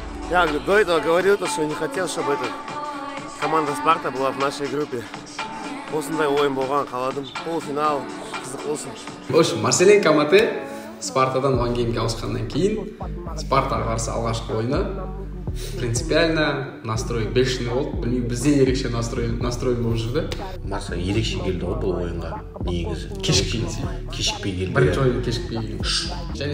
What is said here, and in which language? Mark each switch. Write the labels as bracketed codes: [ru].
[ru] Я до этого говорил, что не хотел, чтобы эта команда «Спарта» была в нашей группе. [kk] Осындай ойын болған қаладым. Полуфинал. Қызық болсын. [ru] В общем, [kk] Марселин Каматэ «Спартадан» One Game-ке ауысқаннан кейін «Спартаға» қарсы алғашқы ойыны. [ru] Принципиально настрой бешеный [kk] болды. Білмеймін, бізден ерекше настрой болып жүрді. Марса ерекше келді ғой бұл ойынға. Негізі кешікпей келді. Бірінші ойын кешікпей келді.